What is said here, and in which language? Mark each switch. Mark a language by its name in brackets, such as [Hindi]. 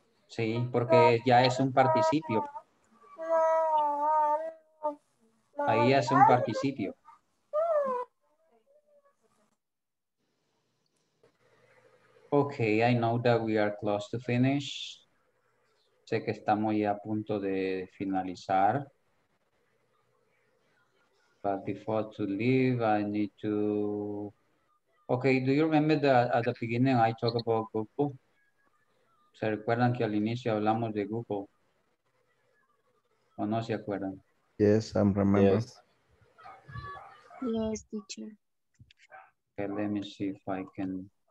[Spanish] Sí, porque ya es un participio. Ahí es un participio. [English] Okay, I know that we are close to finish. [Spanish] Sé que estamos ya a punto de finalizar. [English] But before to leave, I need to... Okay, do you remember that at the beginning I talked about Google? [Spanish] ¿Se recuerdan que al inicio hablamos de Google? ¿O no se acuerdan? [English] Yes, I'm remember. Yes. Yes, teacher. Okay, let me see if I can.